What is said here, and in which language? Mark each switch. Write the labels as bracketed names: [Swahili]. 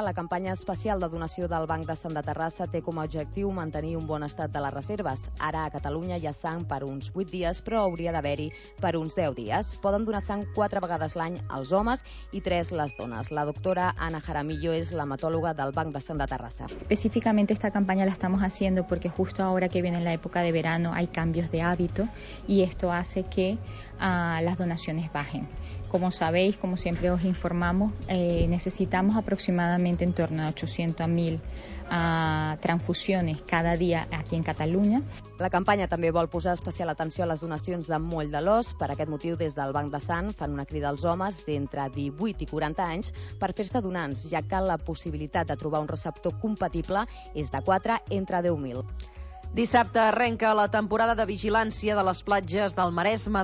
[Catalan] La campanya especial de donació del Banc de Sang de Terrassa té com a objectiu mantenir un bon estat de les reserves. Ara a Catalunya hi ha sang per uns 8 dies, però hauria d'haver-hi per uns 10 dies. Poden donar sang 4 vegades l'any als homes i 3 les dones. La doctora Ana Jaramillo és l'hematòloga del Banc de Sang de Terrassa. [Spanish] Específicamente esta campaña la estamos haciendo porque justo ahora que viene la época de verano hay cambios de hábito y esto hace que las donaciones bajen. Como sabéis, como siempre os informamos, necesitamos aproximadamente en torno a 800 a 1.000 transfusiones cada día aquí en Cataluña. [Catalan] La campanya també vol posar especial atenció a les donacions de moll de l'os. Per aquest motiu, des del Banc de Sang fan una crida als homes d'entre 18 i 40 anys per fer-se donants, ja que la possibilitat de trobar un receptor compatible és de 4 entre 10.000. Dissabte arrenca la temporada de vigilància de les platges del Maresme.